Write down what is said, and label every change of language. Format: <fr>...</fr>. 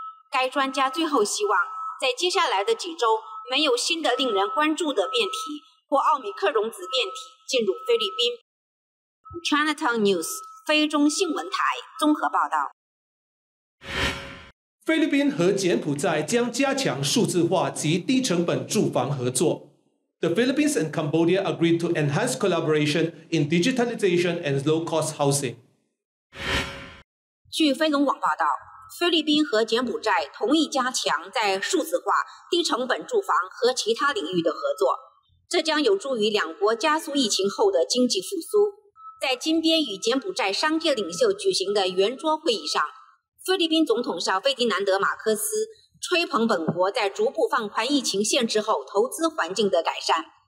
<zh>该专家最后希望，在接下来的几周，没有新的令人关注的变体或奥密克戎子变体进入菲律宾。 Chinatown News 菲中新闻台综合报道。菲律宾和柬埔寨将加强数字化及低成本住房合作。</zh> <en>The Philippines and Cambodia agreed to enhance collaboration in digitization and low-cost housing.</en> <zh>据飞龙网报道，菲律宾和柬埔寨同意加强在数字化、低成本住房和其他领域的合作，这将有助于两国加速疫情后的经济复苏。在金边与柬埔寨商界领袖举行的圆桌会议上，菲律宾总统小费迪南德·马克思吹捧本国在逐步放宽疫情限制后投资环境的改善。</zh>